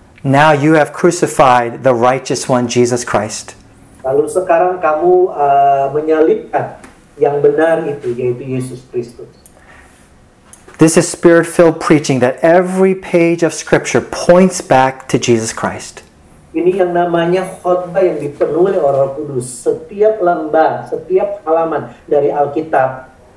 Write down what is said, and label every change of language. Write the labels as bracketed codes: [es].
[en] Now you have crucified the righteous one, Jesus Christ. [id] Lalu sekarang kamu menyalibkan yang benar itu, yaitu Yesus Kristus. [en] This is spirit-filled preaching that every page of Scripture points back to Jesus Christ. [id] Ini yang namanya khotbah yang dipenuhi Roh Kudus. Setiap lembar, setiap halaman dari Alkitab.